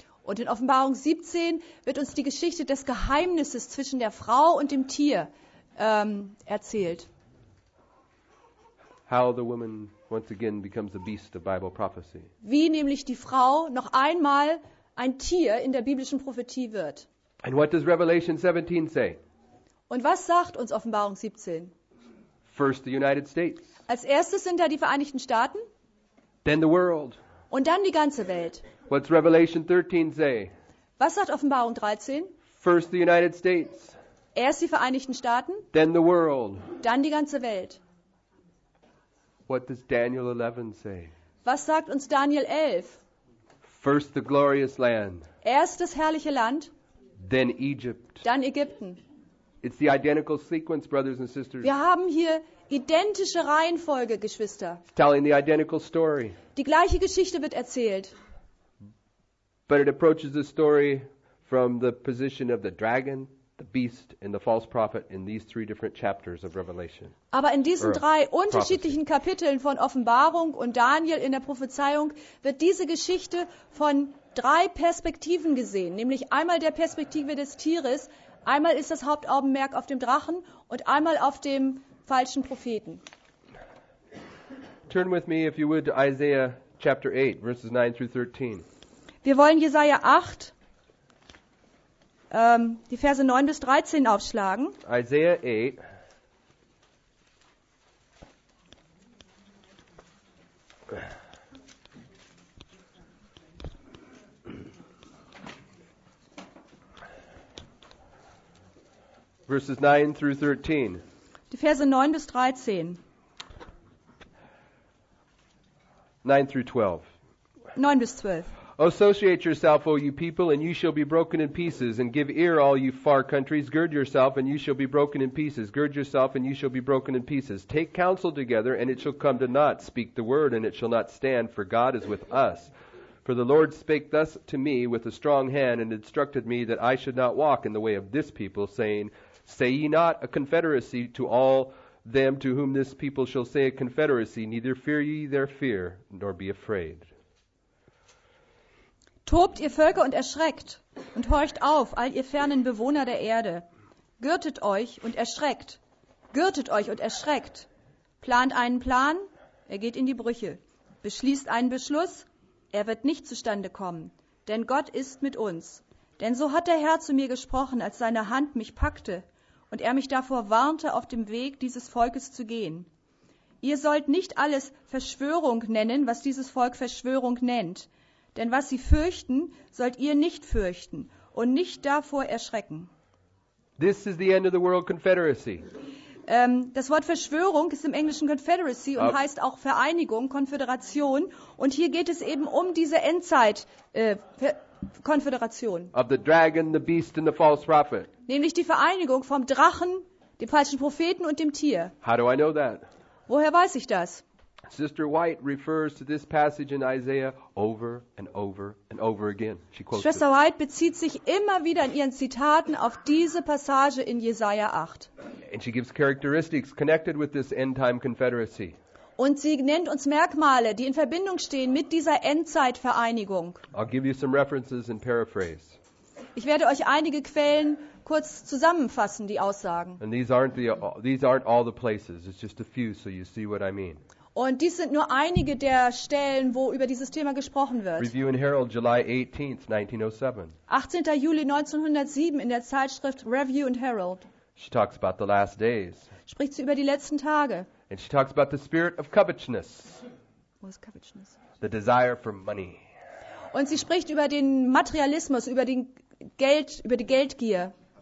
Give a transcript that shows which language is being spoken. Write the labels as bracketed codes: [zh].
[de] Und in Offenbarung 17 wird uns die Geschichte des Geheimnisses zwischen der Frau und dem Tier erzählt. [en] How the woman once again becomes a beast of Bible prophecy. [de] Wie nämlich die Frau noch einmal ein Tier in der biblischen Prophetie wird. [en] And what does Revelation 17 say? [de] Und was sagt uns Offenbarung 17? [en] First the United States. [de] Als erstes sind da die Vereinigten Staaten. [en] Then the world. [de] Und dann die ganze Welt. [en] What's Revelation 13 say? [de] Was sagt Offenbarung 13? [en] First the United States. [de] Erst die Vereinigten Staaten. [en] Then the world. [de] Dann die ganze Welt. [en] What does Daniel 11 say? [de] Was sagt uns Daniel 11? [en] First the glorious land. [de] Erst das herrliche Land. [en] Then Egypt. [de] Dann Ägypten. [en] It's the identical sequence, brothers and sisters. [de] Wir haben hier identische Reihenfolge, Geschwister. [en] It's telling the identical story. [de] Die gleiche Geschichte wird erzählt. [en] But it approaches the story from the position of the dragon, the beast and the false prophet in these three different chapters of Revelation. [de] Aber in diesen drei unterschiedlichen Kapiteln von Offenbarung und Daniel in der Prophezeiung wird diese Geschichte von drei Perspektiven gesehen, nämlich einmal der Perspektive des Tieres, einmal ist das Hauptaugenmerk auf dem Drachen und einmal auf dem falschen Propheten. [en] Turn with me if you would to Isaiah chapter 8 verses 9 through 13. [de] Wir wollen Jesaja 8 die Verse 9 bis 13 aufschlagen. [en] Isaiah 8. Verses 9 through 13. [de] Die Verse 9 bis 13. [en] 9 through 12. [de] 9 bis 12. [en] Associate yourself, O you people, and you shall be broken in pieces, and give ear, all you far countries. Gird yourself, and you shall be broken in pieces. Gird yourself, and you shall be broken in pieces. Take counsel together, and it shall come to naught. Speak the word, and it shall not stand, for God is with us. For the Lord spake thus to me with a strong hand, and instructed me that I should not walk in the way of this people, saying, Say ye not a confederacy to all them to whom this people shall say a confederacy, neither fear ye their fear, nor be afraid. [de] Tobt, ihr Völker, und erschreckt, und horcht auf, all ihr fernen Bewohner der Erde. Gürtet euch und erschreckt. Gürtet euch und erschreckt. Plant einen Plan, er geht in die Brüche. Beschließt einen Beschluss, er wird nicht zustande kommen. Denn Gott ist mit uns. Denn so hat der Herr zu mir gesprochen, als seine Hand mich packte, und er mich davor warnte, auf dem Weg dieses Volkes zu gehen. Ihr sollt nicht alles Verschwörung nennen, was dieses Volk Verschwörung nennt. Denn was sie fürchten, sollt ihr nicht fürchten und nicht davor erschrecken. [en] This is the end of the world confederacy. [de] Das Wort Verschwörung ist im Englischen Confederacy und heißt auch Vereinigung, Konföderation. Und hier geht es eben um diese Endzeit-Konföderation. [en] Of the dragon, the beast and the false prophet. [de] Nämlich die Vereinigung vom Drachen, dem falschen Propheten und dem Tier. [en] How do I know that? [de] Woher weiß ich das? [en] Sister White refers to this passage in Isaiah over and over and over again. She quotes [de] Schwester White bezieht sich immer wieder in ihren Zitaten auf diese Passage in Jesaja 8. [en] And she gives characteristics connected with this end-time confederacy. [de] Und sie nennt uns Merkmale, die in Verbindung stehen mit dieser Endzeitvereinigung. [en] I'll give you some references and paraphrase. [de] Ich werde euch einige Quellen kurz zusammenfassen, die Aussagen. [en] And these aren't all the places. It's just a few, so you see what I mean. [de] Und dies sind nur einige der Stellen, wo über dieses Thema gesprochen wird. [en] Review and Herald, July 18th, 1907. [de] 18. Juli 1907 in der Zeitschrift Review and Herald. [en] She talks about the last days. [de] Spricht sie über die letzten Tage. [en] And she talks about the spirit of covetousness. What is covetousness? The desire for money. [de] Und sie spricht über den Materialismus, über den Geld, über die Geldgier.